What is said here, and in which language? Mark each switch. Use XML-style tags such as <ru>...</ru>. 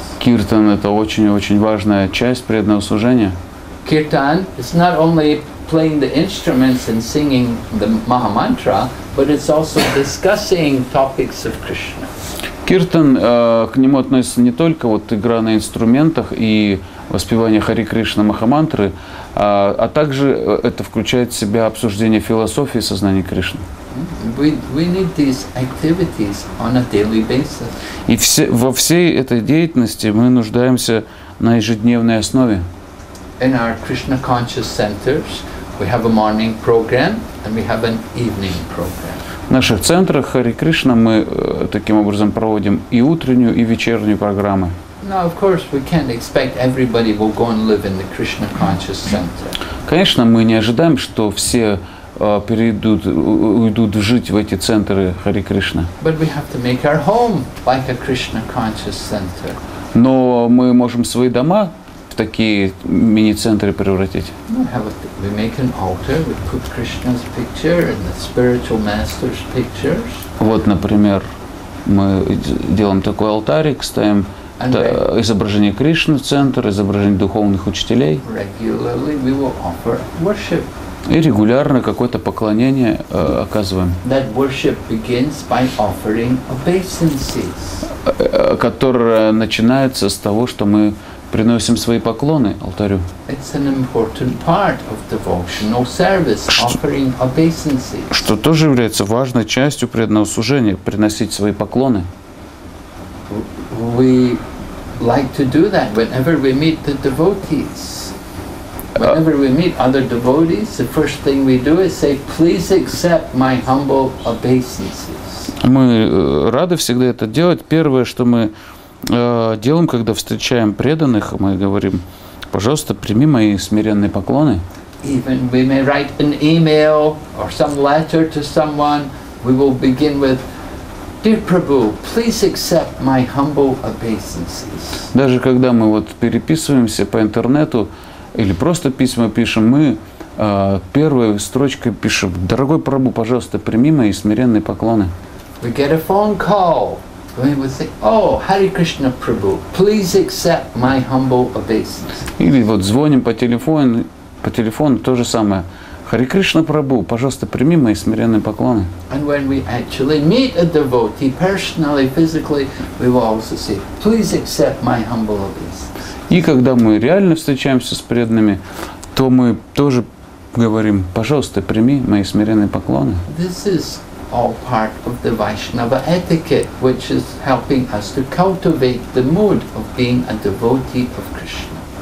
<ru>Киртан – это очень-очень важная часть преданного служения.</ru> <en>Киртан – it's not only playing the instruments and singing the Mahamantra, but it's also discussing topics of Krishna.</en> <ru>Киртан, к нему относится не только вот игра на инструментах и воспевание Хари Кришна Махамантры, а также это включает в себя обсуждение философии сознания Кришны.</ru> <en>We need these activities on a daily basis.</en> <ru>И все, во всей этой деятельности мы нуждаемся на ежедневной основе.</ru> <en>In our Krishna conscious centers, we have a morning program and we have an evening program.</en> <ru>В наших центрах Хари Кришна мы таким образом проводим и утреннюю, и вечернюю программы.</ru> <en>Now, of course, we can't expect everybody will go and live in the Krishna conscious center.</en> <ru>Конечно, мы не ожидаем, что все перейдут, уйдут жить в эти центры Хари Кришна.</ru> <en>But we have to make our home like a Krishna conscious center.</en> <ru>Но мы можем свои дома в такие мини-центры превратить.</ru> <en>We make an altar, we put Krishna's picture and the spiritual master's pictures.</en> <ru>Вот, например, мы делаем такой алтарик, ставим изображение Кришны в центр, изображение духовных учителей.</ru> <en>Regularly we will offer worship.</en> <ru>И регулярно какое-то поклонение оказываем.</ru> <en>That worship begins by offering obeisances.</en> <ru>Которое начинается с того, что мы приносим свои поклоны алтарю.</ru> <en>It's an important part of devotional service, offering obeisances.</en> <ru>Что тоже является важной частью преданного служения, приносить свои поклоны.</ru> <en>We like to do that whenever we meet the devotees. Whenever we meet other devotees, the first thing we do is say, please accept my humble obeisances.</en> <ru>Мы рады всегда это делать. Первое, что мы делаем, когда встречаем преданных, мы говорим, пожалуйста, прими мои смиренные поклоны.</ru> <en>Even we may write an email or some letter to someone, we will begin with, Dear Prabhu, please accept my humble obeisances.</en> <ru>Даже когда мы вот переписываемся по интернету или просто письма пишем, мы первой строчкой пишем: «Дорогой Прабу, пожалуйста, прими мои смиренные поклоны».</ru> <en>We get a phone call. We would say, "Oh, Hare Krishna Prabhu, please accept my humble obeisances."</en> <ru>Или вот звоним по телефону, то же самое. Хари Кришна Прабху, пожалуйста, прими мои смиренные поклоны.</ru> <en>And when we actually meet a devotee personally, physically, we will also say, please accept my humble obeisances.</en> <ru>И когда мы реально встречаемся с преданными, то мы тоже говорим, пожалуйста, прими мои смиренные поклоны.</ru> <en>This is all part of the Vaishnava etiquette, which is helping us to cultivate the mood of being a devotee of Krishna.</en>